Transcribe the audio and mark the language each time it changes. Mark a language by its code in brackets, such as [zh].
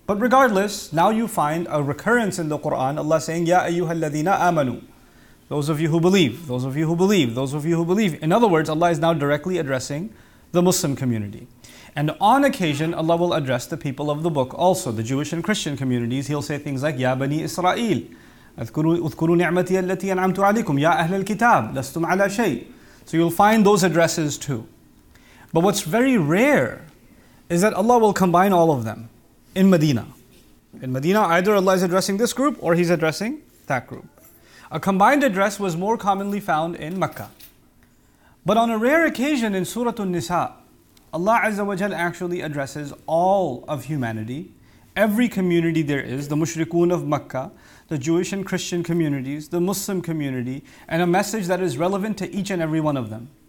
[en] But regardless, now you find a recurrence in the Qur'an, Allah saying, Ya [ar] أَيُّهَا الَّذِينَ آمَنُوا. [en] Those of you who believe, those of you who believe, those of you who believe. In other words, Allah is now directly addressing the Muslim community. And on occasion, Allah will address the people of the book also, the Jewish and Christian communities. He'll say things like, [ar] Ya Bani Israel, أَذْكُرُوا نِعْمَتِيَ الَّتِي أَنْعَمْتُ عَلَيْكُمْ Ya أَهْلَ الْكِتَابِ لَسْتُمْ عَلَى شَيْءٍ. [en] So you'll find those addresses too. But what's very rare is that Allah will combine all of them in Medina. In Medina, either Allah is addressing this group or He's addressing that group. A combined address was more commonly found in Mecca. But on a rare occasion in Surah An-Nisa, Allah Azza wa Jal actually addresses all of humanity, every community there is, the mushrikun of Mecca, the Jewish and Christian communities, the Muslim community, and a message that is relevant to each and every one of them.